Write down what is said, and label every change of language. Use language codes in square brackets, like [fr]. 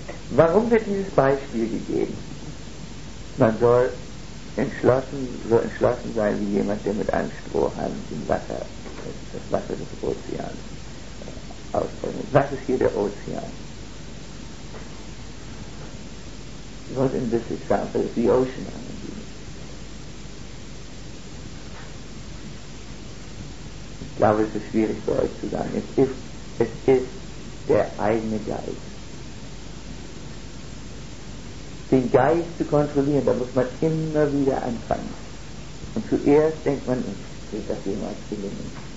[de] Warum wird dieses Beispiel gegeben? Man soll entschlossen, so entschlossen sein wie jemand, der mit einem Strohhalm das Wasser des Ozeans ausbringt. Was ist hier der Ozean? [en] What in this example is the ocean? [de] Ich glaube, es ist schwierig für euch zu sagen. Es ist der eigene Geist. Den Geist zu kontrollieren, da muss man immer wieder anfangen. Und zuerst denkt man, wird das jemals gelingen.